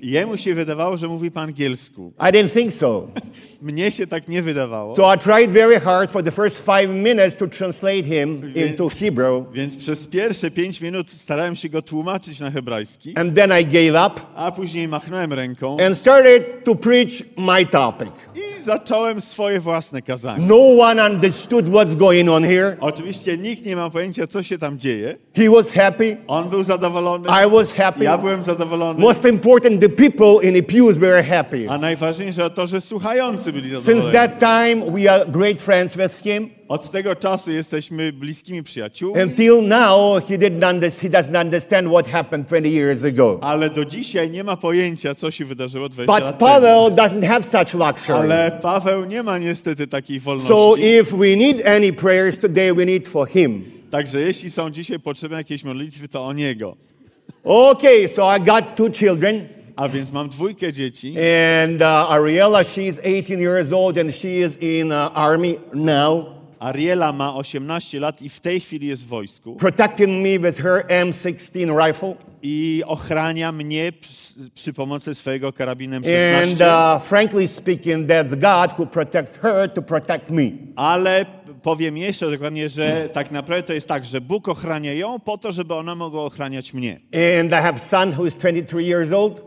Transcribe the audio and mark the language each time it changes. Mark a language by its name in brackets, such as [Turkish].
[Polish] Jemu się wydawało, że mówi po angielsku. [English] I didn't think so. [Polish] Mnie się tak nie wydawało. [English] So I tried very hard for the first 5 minutes to translate him into Hebrew. [Polish] Więc przez pierwsze 5 minut starałem się go tłumaczyć na hebrajski. [English] And then I gave up. [Polish] A później machnąłem ręką. [English] And started to preach my topic. [Polish] I zacząłem swoje własne kazanie. [English] No one understood what's going on here. [Polish] Oczywiście nikt nie ma pojęcia, co się tam dzieje. [English] He was happy. [Polish] On był zadowolony. [English] I was happy. [Polish] Ja byłem zadowolony. [English] Most important, the people in the pews were happy. [Polish] A najważniejsze to, że słuchający byli zadowoleni. [English] Since that time, we are great friends with him. [Polish] Od tego czasu jesteśmy bliskimi przyjaciółmi. [English] Until now, he doesn't understand what happened 20 years ago. [Polish] Ale do dzisiaj nie ma pojęcia, co się wydarzyło 20 lat temu. [English] But Pavel doesn't have such luxury. [Polish] Ale Paweł nie ma niestety takiej wolności. [English] So if we need any prayers today, we need for him. [Polish] Także jeśli są dzisiaj potrzebne jakieś modlitwy, to o niego. [English] Okay, so I got two children. [Polish] A więc mam dwójkę dzieci. [English] And Ariela, she's 18 years old and she is in army now. [Polish] Ariela ma 18 lat i w tej chwili jest w wojsku. [English] Protecting me with her M16 rifle. [Polish] I ochrania mnie przy pomocy swojego karabinu M16. [English] And frankly speaking, that's God who protects her to protect me. [Polish] Ale powiem jeszcze dokładnie, że tak naprawdę to jest tak, że Bóg ochrania ją po to, żeby ona mogła ochraniać mnie. [English] And I have son who is 23 years old.